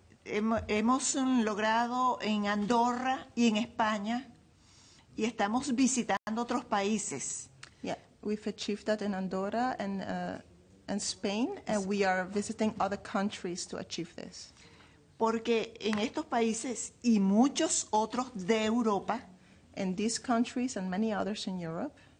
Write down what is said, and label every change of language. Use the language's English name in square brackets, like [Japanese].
[Spanish] Hemos logrado en Andorra y en España, y estamos visitando otros países. [English] Yeah, we've achieved that in Andorra and Spain, and we are visiting other countries to achieve this. [Spanish] Porque en estos países y muchos otros de Europa, [English] in these countries and many others in Europe,